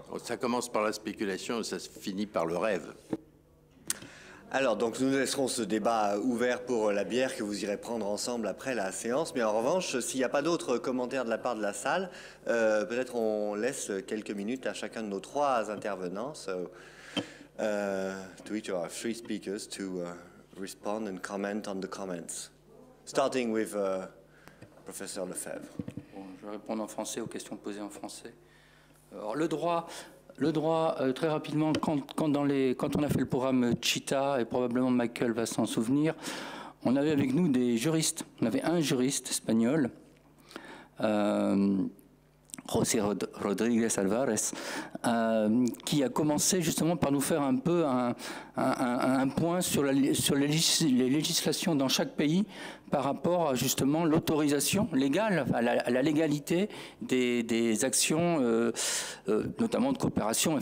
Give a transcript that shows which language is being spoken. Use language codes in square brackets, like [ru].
[fr] Ça commence par la spéculation et ça se finit par le rêve. Alors, donc, nous laisserons ce débat ouvert pour la bière que vous irez prendre ensemble après la séance. Mais en revanche, s'il n'y a pas d'autres commentaires de la part de la salle, peut-être on laisse quelques minutes à chacun de nos trois intervenants. [en] So, to each of our three speakers to respond and comment on the comments. Starting with Professor Lefebvre. [fr] Bon, je vais répondre en français aux questions posées en français. Alors, le droit, très rapidement, quand on a fait le programme CHITA, et probablement Michael va s'en souvenir, on avait avec nous des juristes. On avait un juriste espagnol, José Rodríguez Álvarez, qui a commencé justement par nous faire un peu un point sur les législations dans chaque pays par rapport à justement l'autorisation légale, à la légalité des actions, notamment de coopération.